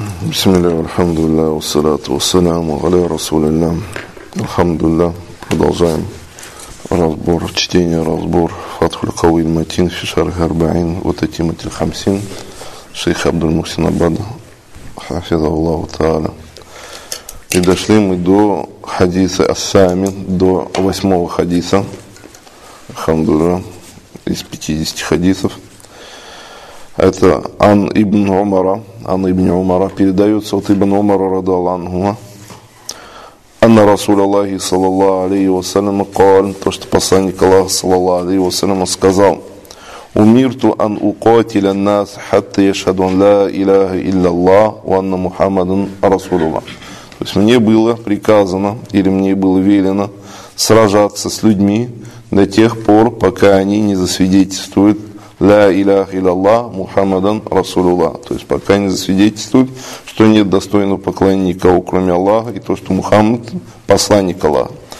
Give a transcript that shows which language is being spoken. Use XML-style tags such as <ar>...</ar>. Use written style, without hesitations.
<ar>بسم الله والحمد لله والصلاة والسلام على رسول الله. الحمد لله.</ar> <ru>Продолжаем разбор, чтение, разбор Фатхуль Кавил Матин в Шарх Арбаин, вот эти Матиль Хамсин, шейх Абдуль Мухсин Абад, хафиза Аллаху Тааля. И дошли мы до хадиса Ас-Сами, до восьмого хадиса, хамдура, из 50 хадисов. Это Ан Ибн Умара, передается от Ибн Умара рада Аллахума.</ru> <ar>أن رسول الله صلى الله عليه وسلم قال تشت بسانك الله صلى الله عليه وسلم</ar> <ru>сказал</ru> <ar>أمرت أن أقاتل الناس حتى يشهدوا لا إله إلا الله وأن محمد رسول الله.</ar> <ru>То есть мне было приказано или мне было велено сражаться с людьми до тех пор, пока они не засвидетельствуют «Ля илях илля Мухаммадан Расулулла». То есть пока не засвидетельствует, что нет достойного поклонения никого, кроме Аллаха, и то, что Мухаммад – посланник Аллаха.</ru>